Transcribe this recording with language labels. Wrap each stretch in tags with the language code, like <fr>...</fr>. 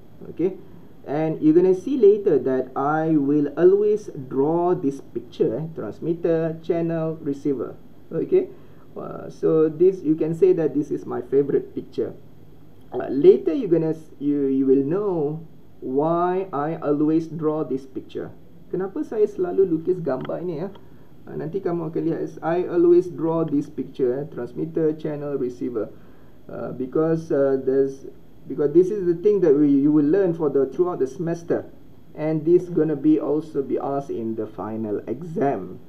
<en>Okay, and you're gonna see later that I will always draw this picture, transmitter, channel, receiver. Okay, so this, you can say that this is my favorite picture. Later you will know why I always draw this picture.</en> <ms>Kenapa saya selalu lukis gambar ini ya? Nanti kamu akan lihat.</ms> <en>I always draw this picture, transmitter, channel, receiver, because this is the thing that you will learn for the throughout the semester, and this gonna be also be asked in the final exam.</en>